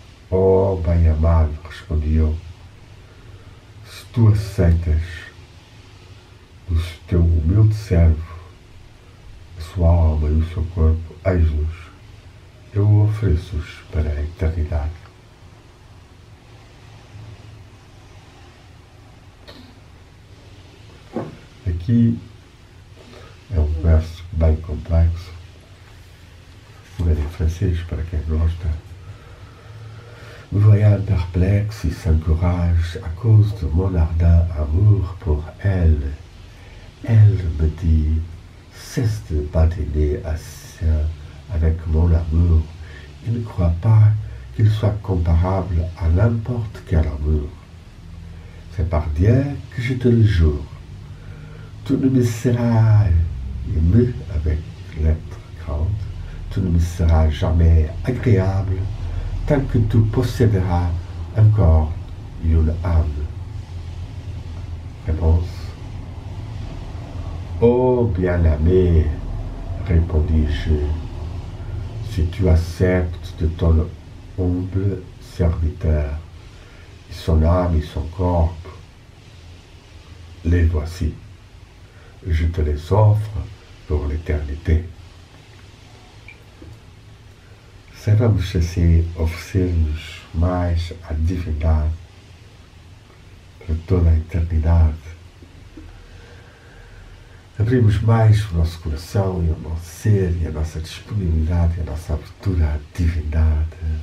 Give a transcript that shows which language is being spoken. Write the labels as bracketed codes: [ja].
[pt] Oh, bem-amado, respondi eu, se tu aceitas o teu humilde servo, a sua alma e o seu corpo, eis-los, eu ofereço-os para a eternidade. Aqui é um verso bem complexo, em francês, para quem gosta. [fr] Voyant perplexe et sans courage à cause de mon ardent amour pour elle, elle me dit: cesse de badiner assez avec mon amour et ne crois pas qu'il soit comparable à n'importe quel amour. C'est par Dieu que je te le jure. Tu ne me seras, et me avec lettre grande, tu ne me seras jamais agréable tant que tu posséderas un corps et une âme. Réponse: oh bien-aimé, répondis-je, si tu acceptes de ton humble serviteur et son âme et son corps, les voici. Je te les offre pour l'éternité. [pt] Saibamos assim oferecer-nos mais à divindade para toda a eternidade. Abrimos mais o nosso coração e o nosso ser e a nossa disponibilidade e a nossa abertura à divindade.